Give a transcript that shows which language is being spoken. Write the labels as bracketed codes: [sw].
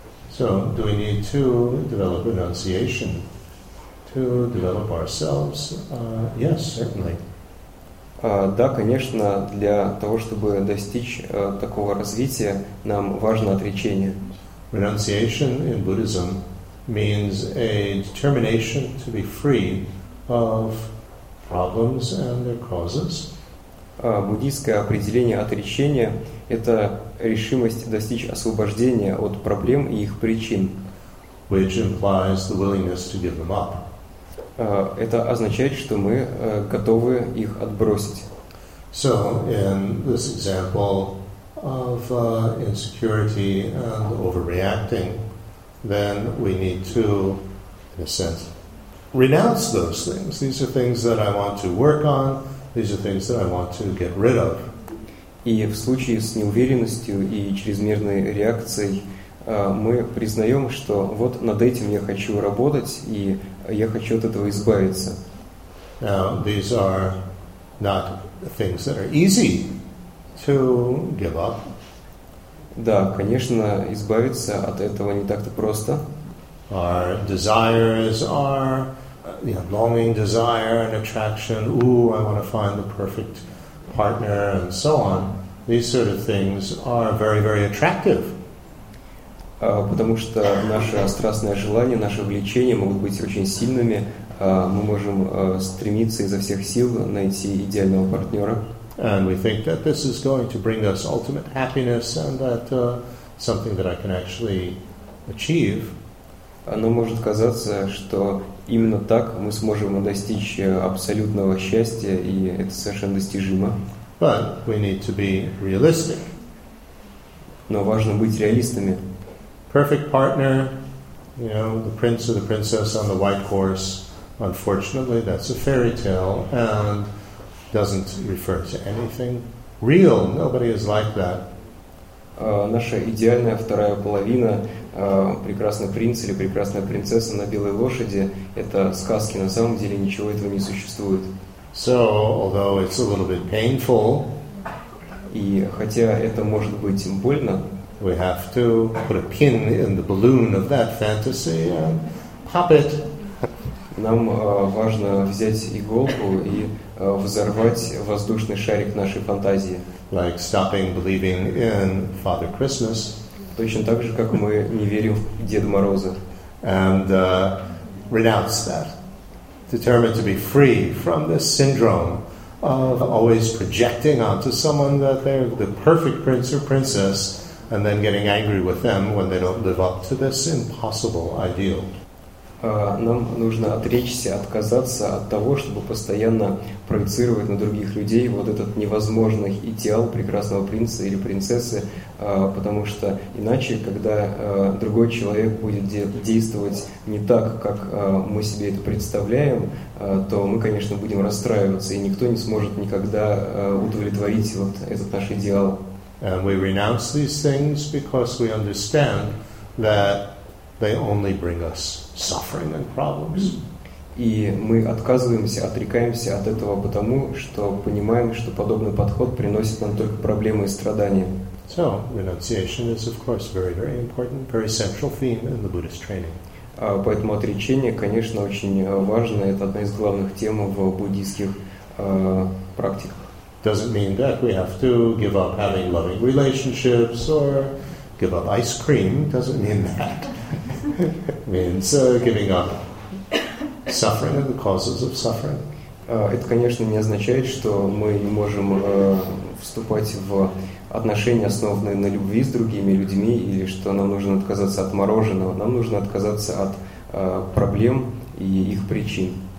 [en] So, do we need to develop renunciation to develop ourselves? Yes, certainly. [ru] Да, конечно, для того, чтобы достичь такого развития, нам важно отречение. [en] Renunciation in Buddhism means a determination to be free of problems and their causes. [ru] Буддийское определение отречения – это решимость достичь освобождения от проблем и их причин. [en] Which implies the willingness to give them up. [ru] Это означает, что мы готовы их отбросить. [en] So, in this example of insecurity and overreacting, then we need to, in a sense, renounce those things. These are things that I want to work on. These are things that I want to get rid of. [ru] И в случае с неуверенностью и чрезмерной реакцией мы признаем, что вот над этим я хочу работать, и я хочу от этого избавиться. [en] Now, these are not things that are easy to give up. [ru] Да, конечно, избавиться от этого не так-то просто. [en] Our desires are, you know, longing desire and attraction. Ooh, I want to find the perfect partner and so on. These sort of things are very, very attractive. [ru] Потому что наше страстное желание, наше влечение могут быть очень сильными. Мы можем стремиться изо всех сил найти идеального партнера. [en] And we think that this is going to bring us ultimate happiness and that something that I can actually achieve. [ru] Оно может казаться, что именно так мы сможем достичь абсолютного счастья, и это совершенно достижимо. [en] But we need to be realistic. [ru] Но важно быть реалистами. [en] Perfect partner, you know, the prince or the princess on the white horse, unfortunately, that's a fairy tale and doesn't refer to anything real. Nobody is like that. [ru] Наша идеальная вторая половина, прекрасный принц или прекрасная принцесса на белой лошади, это сказки, на самом деле ничего этого не существует. [en] So, although it's a little bit painful, [ru] и хотя это может быть больно, [en] we have to put a pin in the balloon of that fantasy and pop it. [ru] Нам важно взять иголку и взорвать воздушный шарик нашей фантазии. [en] Like stopping believing in Father Christmas. [ru] Точно так же, как мы не верим в Деда Мороза. [en] And renounce that. Determined to be free from this syndrome of always projecting onto someone that they're the perfect prince or princess and then getting angry with them when they don't live up to this impossible ideal. [ru] Нам нужно отречься, отказаться от того, чтобы постоянно проецировать на других людей вот этот невозможный идеал прекрасного принца или принцессы, потому что иначе, когда другой человек будет действовать не так, как мы себе это представляем, то мы, конечно, будем расстраиваться, и никто не сможет никогда удовлетворить вот этот наш идеал. [en] And we renounce these things because we understand that they only bring us suffering and problems. [ru] И мы отказываемся, отрекаемся от этого потому, что понимаем, что подобный подход приносит нам только проблемы и страдания. [en] So, renunciation is, of course, very, very important, very central theme in the Buddhist training. [ru] Поэтому отречение, конечно, очень важно. Это одна из главных тем в буддийских практиках. [en] Doesn't mean that we have to give up having loving relationships or give up ice cream. Doesn't mean that. Means giving up suffering and the causes of suffering. [ru] Это, конечно, не означает, что мы не можем вступать в отношения, основанные на любви с другими людьми, или что нам нужно отказаться от мороженого. Нам нужно отказаться от проблем и их причин.